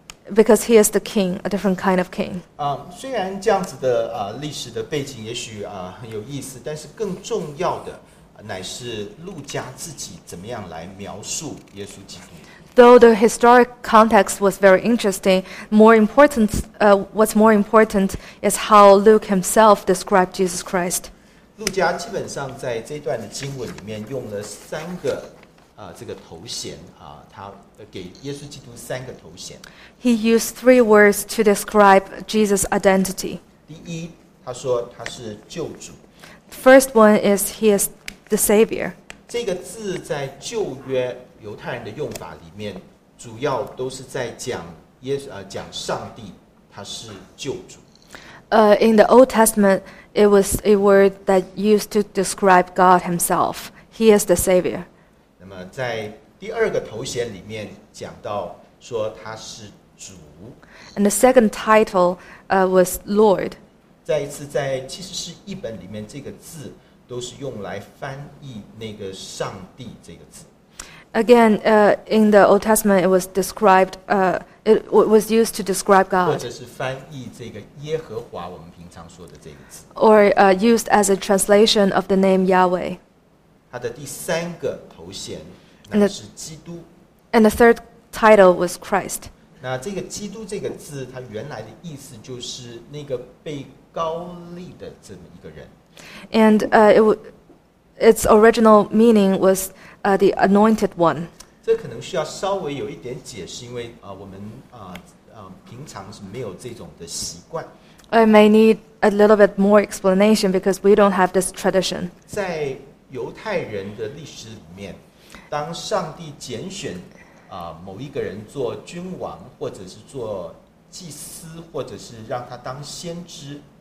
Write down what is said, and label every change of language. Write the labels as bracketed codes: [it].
[en] Because he is the king, a different kind of king. [zh] 虽然这样子的历史的背景也许很有意思，但是更重要的乃是路加自己怎么样来描述耶稣基督。 [en] Though the historic context was very interesting, what's more important is how Luke himself described Jesus Christ. [zh] 路加基本上在这段的经文里面用了三个这个头衔他给耶稣基督三个头衔。 [en] He used three words to describe Jesus' identity. [zh] 第一，他说他是救主。 [en] First one is he is the savior. [zh] 这个字在旧约犹太人的用法里面主要都是在讲耶稣讲上帝他是救主。 [en] In the Old Testament, it was a word that used to describe God himself. He is the Savior. [zh] 那么在第二个头衔里面讲到说他是主。 [en] And the second title was Lord. [zh] 再一次在其实是译本里面这个字都是用来翻译那个上帝这个字。 [en] Again, in the Old Testament, it was described, it was used to describe God. [zh] 或者是翻译这个耶和华，我们平常说的这个字。 [en] Or used as a translation of the name Yahweh. [zh] 他的第三个头衔乃是基督。 [en] And the third title was Christ. [zh] 那这个基督这个字，它原来的意思就是那个被高立的这么一个人。 [en] And its original meaning was the anointed one. [zh] 这可能需要稍微有一点解释，因为我们平常是没有这种的习惯。 [en] I may need a little bit more explanation because we don't have this tradition. [zh] 在犹太人的历史里面，当上帝拣选某一个人做君王，或者是做祭司，或者是让他当先知。